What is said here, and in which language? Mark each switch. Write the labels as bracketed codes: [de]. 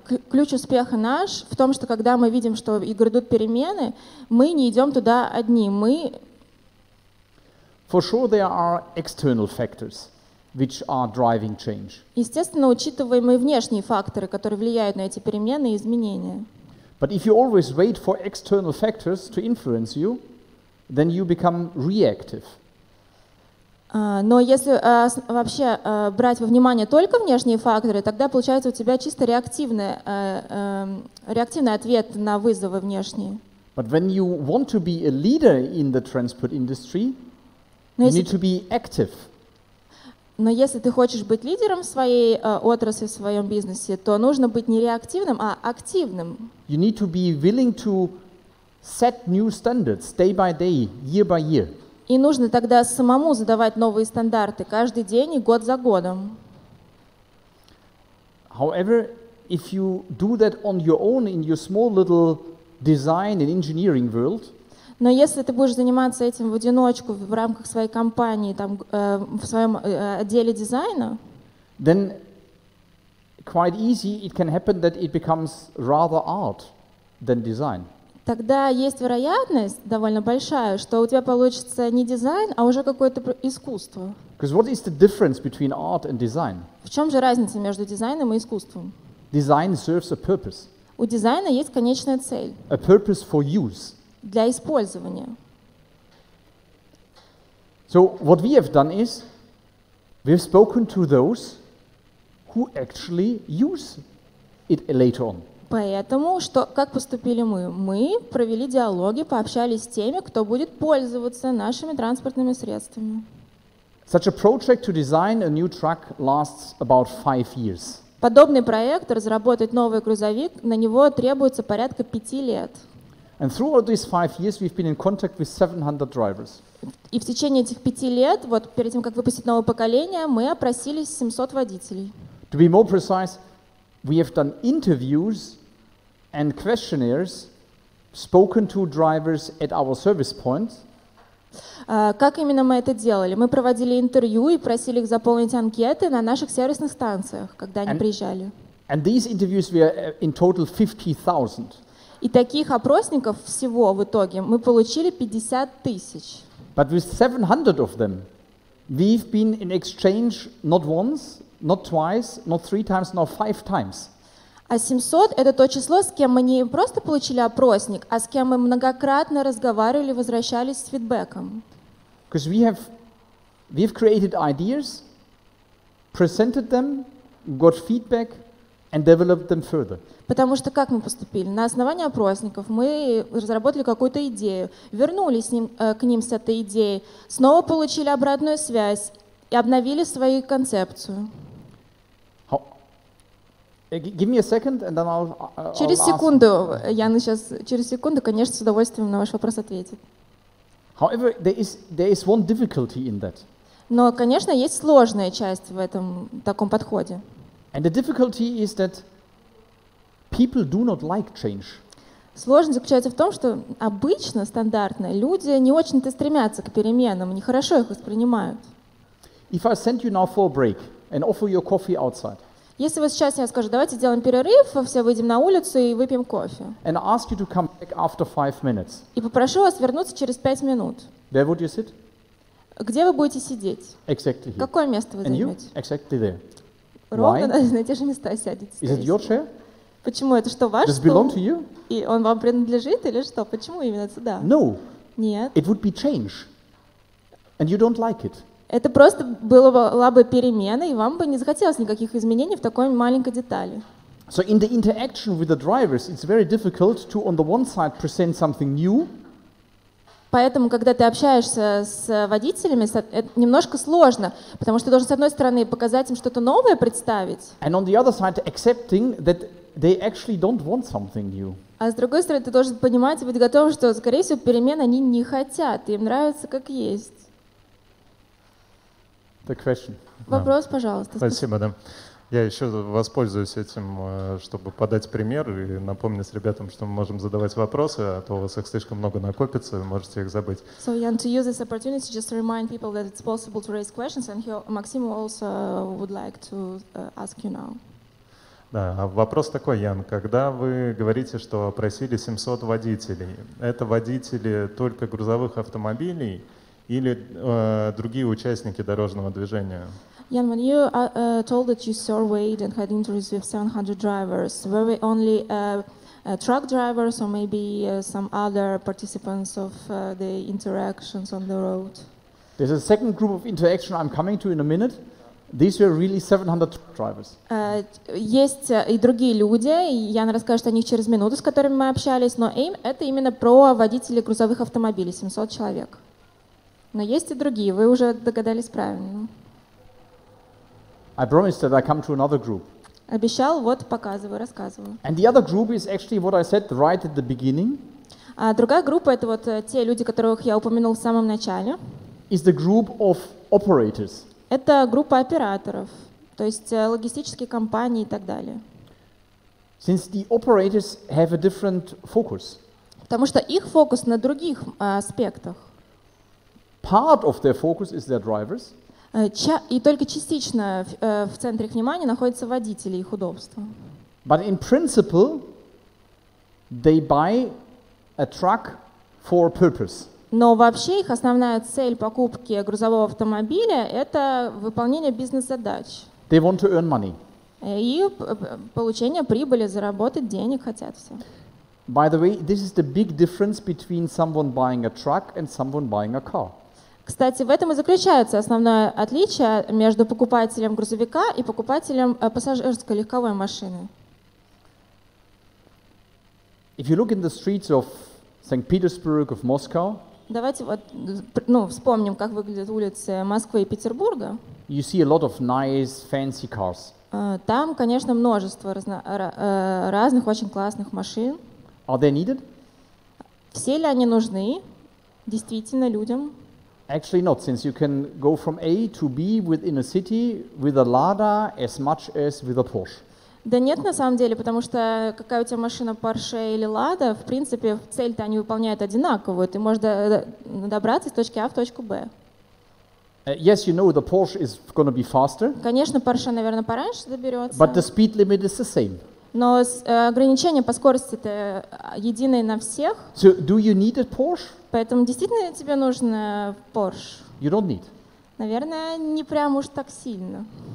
[ru] Ключ успеха наш в том, что когда мы видим, что грядут перемены, мы не идем туда одни. Мы. [en] For sure, there are external factors which are driving change. [ru] Естественно, учитываем и внешние факторы, которые влияют на эти перемены и изменения. [en] But if you always wait for external factors to influence you, then you become reactive. [ru] Но если вообще брать во внимание только внешние факторы, тогда получается у тебя чисто реактивный ответ на вызовы внешние. [en] But when you want to be a leader in the transport industry, you need to be active. [ru] Но если ты хочешь быть лидером в своей отрасли, в своем бизнесе, то нужно быть не реактивным, а активным. [en] You need to be willing to set new standards day by day, year by year. [ru] И нужно тогда самому задавать новые стандарты каждый день и год за годом. [en] However, if you do that on your own in your small little design and engineering world, [ru] но если ты будешь заниматься этим в одиночку в рамках своей компании, там, в своем отделе дизайна, [en] then quite easy it can happen that it becomes rather art than design. [ru] Тогда есть вероятность довольно большая, что у тебя получится не дизайн, а уже какое-то искусство. [en] Because what is the difference between art and design? [ru] В чем же разница между дизайном и искусством? [en] Design serves a purpose. [ru] У дизайна есть конечная цель. [en] A purpose for use. [ru] Для использования. [en] So what we have done is we've spoken to those who actually use it later on. [ru] Поэтому что, как поступили мы? Мы провели диалоги, пообщались с теми, кто будет пользоваться нашими транспортными средствами. [en] Such a project to design a new truck lasts about 5 years. [ru] Подобный проект, разработать новый грузовик, на него требуется порядка 5 лет. [en] And throughout these 5 years, we've been in contact with 700 drivers. [ru] И в течение этих 5 лет, вот перед тем, как выпустить новое поколение, мы опросили 700 водителей. [en] To be more precise, we have done interviews and questionnaires, spoken to drivers at our service points. [ru] Как именно мы это делали? Мы проводили интервью и просили их заполнить анкеты на наших сервисных станциях, когда они приезжали. [en] And these interviews were in total 50,000. [ru] И таких опросников всего в итоге мы получили 50 тысяч. [en] But with 700 of them, we've been in exchange not once, not twice, not three times, not five times. [ru] А 700 — это то число, с кем мы не просто получили опросник, а с кем мы многократно разговаривали, возвращались с фидбэком. [en] Because we've created ideas, presented them, got feedback, and developed them further. [ru] Потому что как мы поступили? На основании опросников мы разработали какую-то идею, вернулись к ним с этой идеей, снова получили обратную связь и обновили свою концепцию. [en] Give me a second, and then I'll [ru] через секунду, Яна сейчас, через секунду, конечно, с удовольствием на ваш вопрос ответит. [en] However, there is one difficulty in that. [ru] Но, конечно, есть сложная часть в этом таком подходе. [en] And the difficulty is that people do not like change. [ru] Сложность заключается в том, что обычно, стандартно, люди не очень-то стремятся к переменам, нехорошо их воспринимают. [en] If I send you now for a break and offer you coffee outside. [ru] Если вот сейчас я скажу, давайте сделаем перерыв, все выйдем на улицу и выпьем кофе. [en] And ask you to come back after 5 minutes. [ru] И попрошу вас вернуться через 5 минут. [en] Where would you sit? [ru] Где вы будете сидеть? [en] Exactly here. [ru] Какое место вы [en] And [ru] займете? [en] You? Exactly there. [ru] Ровно на те же места сядете. [en] Is it your chair? [ru] Почему? Это что, ваш [en] Does [ru] стул? [en] Belong to you? [ru] И он вам принадлежит или что? Почему именно сюда? [en] No. [ru] Нет. [en] It would be change. And you don't like it. [ru] Это просто была бы перемена, и вам бы не захотелось никаких изменений в такой маленькой детали. [en] So in the interaction with the drivers, it's very difficult to on the one side present something new. [ru] Поэтому, когда ты общаешься с водителями, это немножко сложно, потому что ты должен, с одной стороны, показать им что-то новое представить. [en] And on the other side, accepting that they actually don't want something new. [ru] А с другой стороны, ты должен понимать и быть готовым, что, скорее всего, перемен они не хотят, им нравится как есть. [en] The question. [ru] Вопрос, пожалуйста. Спасибо, да. Я еще воспользуюсь этим, чтобы подать пример и напомнить ребятам, что мы можем задавать вопросы, а то у вас их слишком много накопится, вы можете их забыть. [en] So, Jan, to use this opportunity, just to remind people that it's possible to raise questions, and Максим also would like to ask you now. [ru] Да, вопрос такой, Ян, когда вы говорите, что опросили 700 водителей, это водители только грузовых автомобилей, или другие участники дорожного движения. [en] Jan, when you told that you surveyed and had interviews with 700 drivers, were we only truck drivers or maybe some other participants of the interactions on the road? There's a second group of interaction I'm coming to in a minute. These were really 700 drivers. [ru] Есть и другие люди, Ян расскажет о них через минуту, с которыми мы общались, но это именно про водителей грузовых автомобилей, 700 человек. Но есть и другие, вы уже догадались правильно. [en] I promised that I come to another group. [ru] Обещал, вот показываю, рассказываю. [en] And the other group is actually what I said right at the beginning. [ru] А другая группа это вот те люди, которых я упомянул в самом начале. [en] Is the group of operators. [ru] Это группа операторов, то есть логистические компании и так далее. [en] Since the operators have a different focus. [ru] Потому что их фокус на других аспектах. [en] Part of their focus is their drivers. [ru] И только частично в центре внимания находятся водители и их удобство. [en] But in principle, they buy a truck for a purpose. [ru] Но вообще их основная цель покупки грузового автомобиля – это выполнение бизнес-задач. [en] They want to earn money. [ru] И получение прибыли, заработать денег хотят все. [en] By the way, this is the big difference between someone buying a truck and someone buying a car. [ru] Кстати, в этом и заключается основное отличие между покупателем грузовика и покупателем пассажирской легковой машины. [en] If you look in the streets of St. Petersburg, of Moscow, [ru] давайте вот, ну, вспомним, как выглядят улицы Москвы и Петербурга. [en] You see a lot of nice, fancy cars. [ru] Там, конечно, множество разных очень классных машин. [en] Are they needed? [ru] Все ли они нужны действительно людям? [en] Actually not, since you can go from A to B within a city with a Lada as much as with a Porsche. [ru] Да нет, на самом деле, потому что какая у тебя машина, Porsche или Lada, в принципе, цель-то они выполняют одинаковую. Ты можешь добраться из точки А в точку Б. [en] Yes, you know the Porsche is going to be faster. [ru] Конечно, Porsche, наверное, пораньше доберется. [en] But the speed limit is the same. [ru] Но ограничение по скорости-то единое на всех. [en] So do you need a Porsche? [ru] Поэтому действительно тебе нужен Porsche? [en] You don't need. [ru] Наверное, не прям уж так сильно.